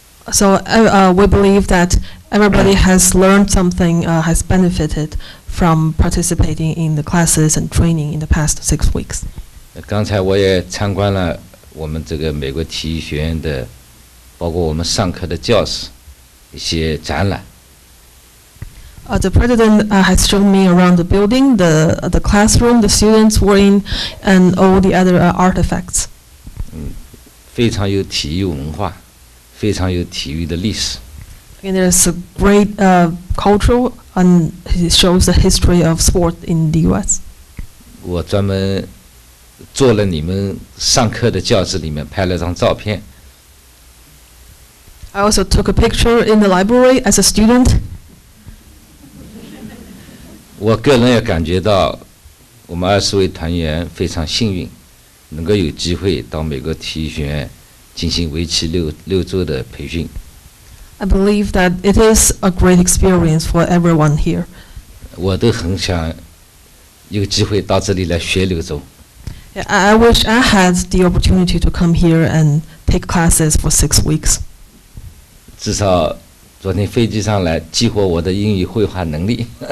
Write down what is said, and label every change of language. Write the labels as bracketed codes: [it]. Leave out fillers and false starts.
[en] So we believe that everybody has learned something, has benefited from participating in the classes and training in the past 6 weeks. [zh] 刚才我也参观了我们这个美国体育学院的，包括我们上课的教室，一些展览。 [en] The president has shown me around the building, the classroom, the students were in, and all the other artifacts. [zh] 非常有体育文化，非常有体育的历史。 [en] And there's a great culture, and it shows the history of sport in the U.S. [zh] 我专门坐了你们上课的教室里面拍了张照片。 [en] I also took a picture in the library as a student. [zh] 我个人也感觉到我们二十位团员非常幸运。能够有机会到美国体育学院进行为期六周的培训。 [en] I believe that it is a great experience for everyone here. [zh] 我都很想有机会到这里来学六周。 [en] Yeah, I wish I had the opportunity to come here and take classes for 6 weeks. [zh] 至少昨天飞机上来激活我的英语绘画能力。